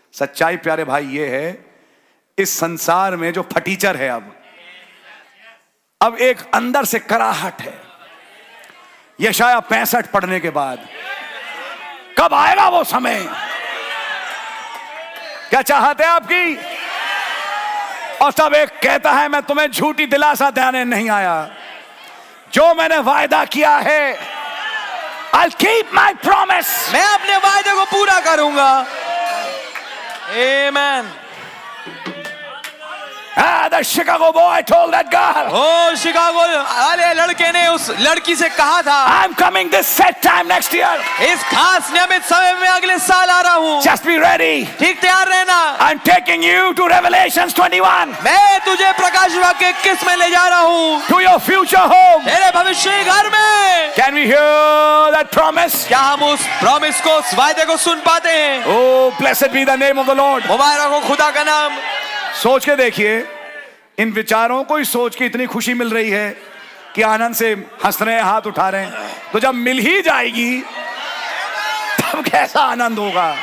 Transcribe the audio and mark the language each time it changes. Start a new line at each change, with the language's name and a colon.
Hindi: सच्चाई प्यारे भाई ये है, इस संसार में जो फटीचर है अब एक अंदर से कराहट है, यशाया 65 पढ़ने के बाद, कब आएगा वो समय, क्या चाहते हैं आपकी, और सब एक कहता है मैं तुम्हें झूठी दिलासा देने नहीं आया, जो मैंने वायदा किया है
English: I'll keep my promise,
Hindi: मैं अपने वायदे को पूरा करूंगा, Amen.
English: The Chicago boy told that girl.
Hindi: Oh, Chicago, अरे लड़के ने उस लड़की से कहा था,
English: I'm coming this set time next year.
Hindi: इस खास नियमित समय में अगले साल आ रहा हूँ.
English: Just be ready.
Hindi: ठीक तैयार रहना.
English: I'm taking you to Revelations 21.
Hindi: मैं तुझे प्रकाश वाक्य किस में ले जा रहा हूँ.
English: To your future home.
Hindi: तेरे भविष्य घर में.
English: Can we hear that promise?
Hindi: क्या हम उस प्रॉमिस को, उस वायदे को सुन पाते हैं?
English: Oh, blessed be the name of the Lord.
Hindi: मुबारक हो खुदा का नाम. सोच के देखिए, इन विचारों को ही सोच के इतनी खुशी मिल रही है कि आनंद से हंस रहे हैं, हाथ उठा रहे हैं, तो जब मिल ही जाएगी तब कैसा आनंद होगा,